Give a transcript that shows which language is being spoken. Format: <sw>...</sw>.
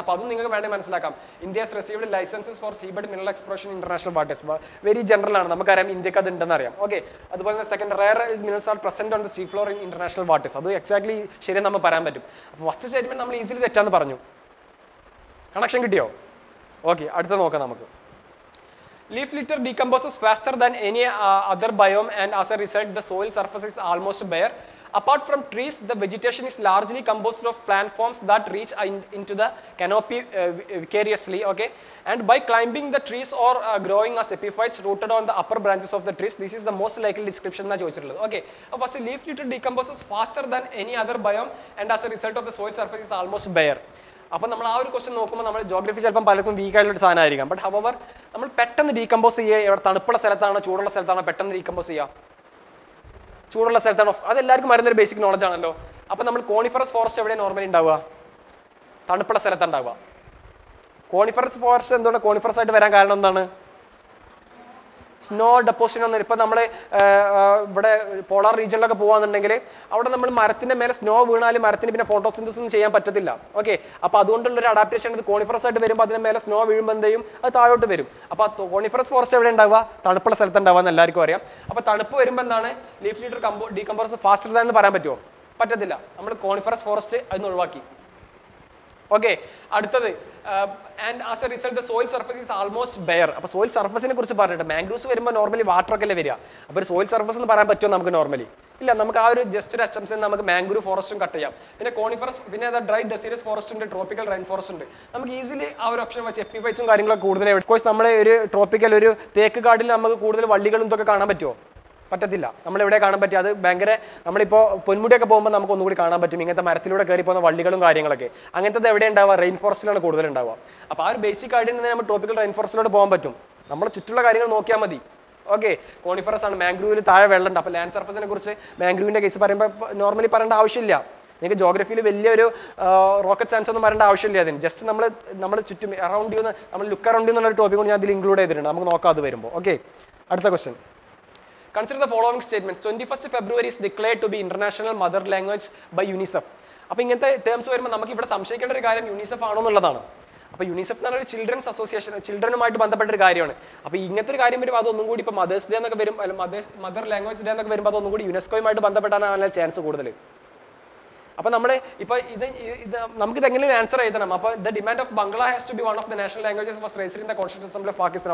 <ml>അപ്പോൾ അതും നിങ്ങൾക്ക് വേണമെങ്കിൽ മനസ്സിലാക്കാം.</ml> <en>India has received licences for seabed mineral exploration international waters.</en> <ml>Very general ആണ്, നമുക്കറിയാം ഇന്ത്യക്ക് അത് ഉണ്ടെന്ന് അറിയാം. ഓക്കെ, അതുപോലെ തന്നെ second,</ml> <en>Rare minerals are present on the sea floor in international waters.</en> <ml>അത് എക്സാക്ട്ലി ശരിയെന്ന് നമുക്ക് പറയാൻ പറ്റും. അപ്പോൾ ഫസ്റ്റ് സ്റ്റേറ്റ്മെൻറ്റ് നമ്മൾ ഈസിലി തെറ്റാന്ന് പറഞ്ഞു. കണക്ഷൻ കിട്ടിയോ? ഓക്കെ, അടുത്ത നോക്കാം നമുക്ക്.</ml> <en>leaf litter decomposes faster than any other biome, and as a result, the soil surface is almost bare. Apart from trees, the vegetation is largely composed of plant forms that reach into the canopy vicariously, okay? And by climbing the trees or growing as epiphytes rooted on the upper branches of the trees, this is the most likely description that you will see. Okay, so leaf litter decomposes faster than any other biome, and as a result of the soil surface is almost bare.</en> <ml>അപ്പോൾ നമ്മൾ ആ ഒരു question നോക്കുമ്പോൾ നമ്മൾ geography ചിലപ്പം പലർക്കും week ആയിട്ടുള്ള ഒരു സാധനമായിരിക്കാം. ബട്ട് ഹവർ നമ്മൾ പെട്ടെന്ന് ഡീകമ്പോസ് ചെയ്യുക, ഇവിടെ തണുപ്പുള്ള സ്ഥലത്താണോ ചൂടുള്ള സ്ഥലത്താണോ പെട്ടെന്ന് ഡീകമ്പോസ് ചെയ്യുക? ചൂടുള്ള സ്ഥലത്താണോ? അതെല്ലാവർക്കും അറിയുന്നൊരു ബേസിക് നോളജ് ആണല്ലോ. അപ്പോൾ നമ്മൾ കോണിഫറസ് ഫോറസ്റ്റ് എവിടെയാണ് നോർമലി ഉണ്ടാവുക? തണുപ്പുള്ള സ്ഥലത്താണ്. കോണിഫറസ് ഫോറസ്റ്റ് എന്തുകൊണ്ട് കോണിഫറസ് ആയിട്ട് വരാൻ കാരണം എന്താണ്? സ്നോ ഡെപ്പോസിഷൻ ഒന്നും. ഇപ്പം നമ്മൾ ഇവിടെ പോളാർ റീജിയനിലൊക്കെ പോകുകയാണെന്നുണ്ടെങ്കിൽ അവിടെ നമ്മൾ മരത്തിൻ്റെ മേലെ സ്നോ വീണാലും മരത്തിന് പിന്നെ ഫോട്ടോസിന്തസിസ് ഒന്നും ചെയ്യാൻ പറ്റത്തില്ല. ഓക്കെ, അപ്പോൾ അതുകൊണ്ടുള്ളൊരു അഡാപ്റ്റേഷൻ ഉണ്ട്. കോണിഫറസ് ആയിട്ട് വരുമ്പോൾ അതിൻ്റെ മേലെ സ്നോ വീഴുമ്പോൾ എന്തെയും അത് താഴോട്ട് വരും. അപ്പോൾ ആ കോണിഫറസ് ഫോറസ്റ്റ് എവിടെ ഉണ്ടാവുക? തണുപ്പുള്ള സ്ഥലത്ത് ഉണ്ടാവുക എന്ന് എല്ലാവർക്കും അറിയാം. അപ്പോൾ തണുപ്പ് വരുമ്പോൾ എന്താണ്</ml> <en>leaf litter decompose faster than</en> <ml>എന്ന് പറയാൻ പറ്റുമോ? പറ്റത്തില്ല. നമ്മൾ കോണിഫറസ് ഫോറസ്റ്റ് അതിന് ഒഴിവാക്കി. ഓക്കെ, അടുത്തത്</ml> <en>and as a result the soil surface is almost bare.</en> <ml>அப்ப soil surface ne kurichu parayitte mangroves varumba normally water okalle veriya appo soil surface nu parayan pattyo namaku normally illa namaku aa oru just oru assumption namaku mangrove forest um cut cheyyam pinne coniferous pinne adha dry deciduous forest unde tropical rainforest unde namaku easily aa oru option vach epiphytes um karyangal kooduthale of course nammale oru tropical oru teek kaadil namaku kooduthale valligalum thokka kaanan pattyo പറ്റത്തില്ല. നമ്മളിവിടെ കാണാൻ പറ്റും അത് ഭയങ്കര. നമ്മളിപ്പോൾ പൊന്മുടിയൊക്കെ പോകുമ്പോൾ നമുക്ക് ഒന്നുകൂടി കാണാൻ പറ്റും ഇങ്ങനത്തെ മരത്തിലൂടെ കയറി പോകുന്ന വള്ളികളും കാര്യങ്ങളൊക്കെ. അങ്ങനത്തത് എവിടെ ഉണ്ടാവുക? റെയിൻ ഫോറസ്റ്റിലാണ് കൂടുതലുണ്ടാവുക. അപ്പോൾ ആ ഒരു ബേസിക് ആയിട്ട് തന്നെ നമ്മൾ ട്രോപ്പിക്കൽ റെയിൻ ഫോറസ്റ്റിലോട്ട് പോകാൻ പറ്റും. നമ്മൾ ചുറ്റുള്ള കാര്യങ്ങൾ നോക്കിയാൽ മതി. ഓക്കെ, കോണിഫറസ് ആണ്, മാംഗ്രൂവിൽ താഴെ വെള്ളമുണ്ട്. അപ്പോൾ ലാൻഡ് സർഫസിനെ കുറിച്ച് മാംഗ്രൂവിൻ്റെ കേസ് പറയുമ്പോൾ നോർമലി പറയേണ്ട ആവശ്യമില്ല. നിങ്ങൾക്ക് ജോഗ്രഫിയിൽ വലിയൊരു റോക്കറ്റ് സയൻസ് ഒന്നും പറയേണ്ട ആവശ്യമില്ല അതിന്. ജസ്റ്റ് നമ്മൾ നമ്മുടെ ചുറ്റും അറൗണ്ട് ചെയ്യുന്ന നമ്മൾ ലുക്ക് അറൗണ്ട് ചെയ്യുന്നുള്ള ടോപ്പിക് കൊണ്ട് ഞാൻ അതിൽ ഇൻക്ലൂഡ് ചെയ്തിട്ടുണ്ട്. നമുക്ക് നോക്കാം അത് വരുമ്പോൾ. ഓക്കെ, അടുത്ത question.</ml> <en>Consider the following statement. 21st February is declared to be International Mother Language by UNICEF.</en> <ml>അപ്പോൾ ഇങ്ങനത്തെ ടേംസ് വരുമ്പോൾ നമുക്ക് ഇവിടെ സംശയിക്കേണ്ട ഒരു കാര്യം യുനിസെഫ് ആണോ എന്നുള്ളതാണ്. അപ്പോൾ യുനിസെഫ് എന്ന് പറഞ്ഞൊരു ചിൽഡ്രൻസ് അസോസിയേഷൻ, ചിൽഡ്രനുമായിട്ട് ബന്ധപ്പെട്ട ഒരു കാര്യമാണ്. അപ്പോൾ ഇങ്ങനത്തെ ഒരു കാര്യം വരുമ്പോൾ അതൊന്നും കൂടി ഇപ്പോൾ മദേഴ്സ് ഡേ എന്നൊക്കെ വരും, മദർ ലാംഗ്വേജ് ഡേ എന്നൊക്കെ വരുമ്പോൾ അതൊന്നും കൂടി യുനെസ്കോയുമായിട്ട് ബന്ധപ്പെട്ടാണ് ചാൻസ് കൂടുതൽ. അപ്പോൾ നമ്മുടെ ഇപ്പോൾ ഇത് നമുക്ക് ഇതെങ്ങനെയും ആൻസർ എഴുതണം. അപ്പോൾ</ml> <en>The demand of Bangla has to be one of the national languages was raised in the constitution assembly of Pakistan.</en>